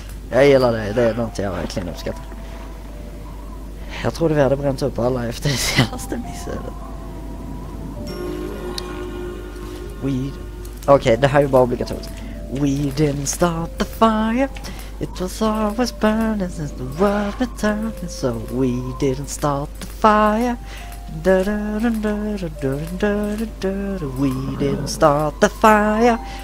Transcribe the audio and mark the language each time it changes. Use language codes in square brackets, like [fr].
[sv] Jag gillar det, det är något jag verkligen uppskattar. Jag trodde vi hade bränt upp alla efter det senaste missödet. Weed. Okej, det här är bara obligatoriskt. [en] We didn't start the fire. It was always burning since the world returned. So we didn't start the fire. Da-da-da-da-da-da-da-da-da-da. We didn't start the fire.